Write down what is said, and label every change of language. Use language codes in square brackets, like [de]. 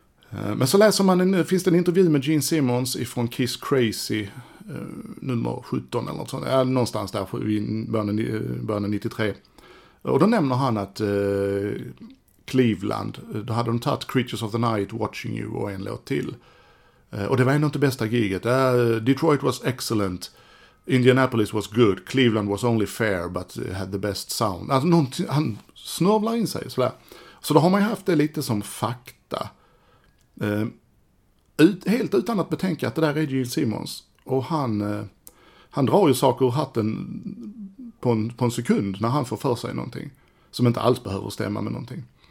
[sv] Men så läser man, finns det en intervju med Gene Simmons ifrån Kiss Crazy nummer 17 eller något sånt, någonstans där i början av 93. Och då nämner han att Cleveland, då hade de tagit Creatures of the Night, Watching You och en låt till. Och det var ändå inte bästa giget. [en] Detroit was excellent. Indianapolis was good. Cleveland was only fair but had the best sound. [sv] Alltså han snurvlar in sig sådär. Så då har man ju haft det lite som fakta. Helt utan att betänka att det där är Gene Simmons. Och han drar ju saker ur hatten på en sekund när han får för sig någonting. Som inte alls behöver stämma med någonting.